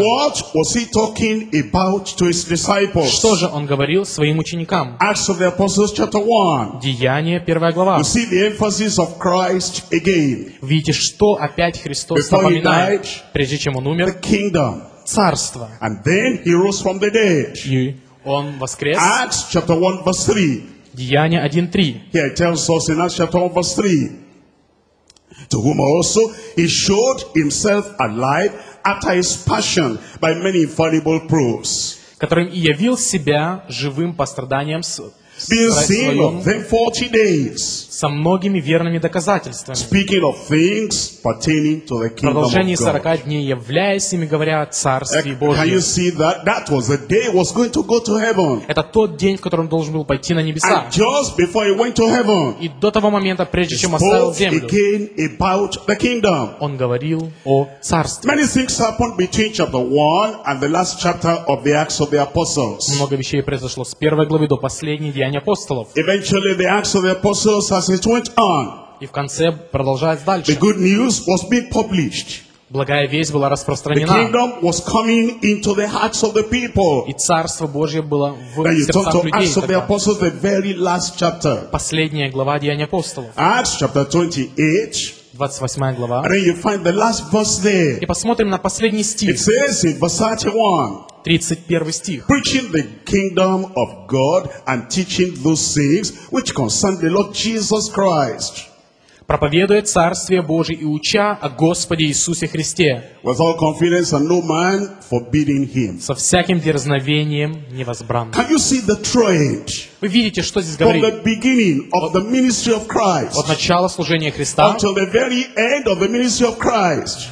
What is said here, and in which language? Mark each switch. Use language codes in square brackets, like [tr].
[en] What was he talking about to his disciples? [ru] Что же он говорил своим ученикам? [en] Acts of the Apostles chapter 1. [ru] Деяния, первая глава. [en] You see the emphasis of Christ again. [ru] Видите, что опять Христос вспоминает, прежде чем он умер. [en] The kingdom. [ru] Царство. [en] And then he rose from the dead. [ru] И он воскрес. [en] Acts chapter 1 verse 3. [ru] Деяния 1:3. [en] Here it tells us in Acts chapter 1 verse 3. To whom also he showed himself alive after his passion by many infallible proofs. [ru] Которым и явил себя живым по страданиям [en] Being seen of them 40 days. [ru] Со многими верными доказательствами. [en] Speaking of things pertaining to the kingdom of God. [ru] Продолжение 40 дней, являясь ими, говоря о Царстве Божьем. [en] Can you see that? That was the day he was going to go to heaven. [ru] Это тот день, в котором он должен был пойти на небеса. [en] And just before he went to heaven. [ru] И до того момента, прежде чем оставил землю. [en] Again about the kingdom. [ru] Он говорил о Царстве. [en] Many things happened between chapter 1 and the last chapter of the Acts of the Apostles. [ru] Много вещей произошло с первой главы до последней. [en] Eventually, the Acts of the Apostles, as it went on, [ru] и в конце продолжается дальше. [en] The good news was being published. [ru] Благая весть была распространена. [en] The kingdom was coming into the hearts of the people. [ru] И Царство Божье было в сердцах людей. [en] Now you turn to Acts of the Apostles, the very last chapter. [ru] Последняя глава Деяний апостолов. [en] Acts chapter 28. [ru] 28 глава. [en] And then you find the last verse there. [ru] И посмотрим на последний стих. [en] It says in verse 31. [ru] 31 стих. [en] Preaching the kingdom of God and teaching those things which concern the Lord Jesus Christ. [ru] Проповедуя Царствие Божие и уча о Господе Иисусе Христе. [en] With all confidence and no man forbidding him. [ru] Со всяким дерзновением невозбранным. [en] Can you see the trend? [ru] Вы видите, что здесь говорит? [en] From the beginning of the ministry of Christ. [ru] От начала служения Христа. [en] Until the very end of the ministry of Christ.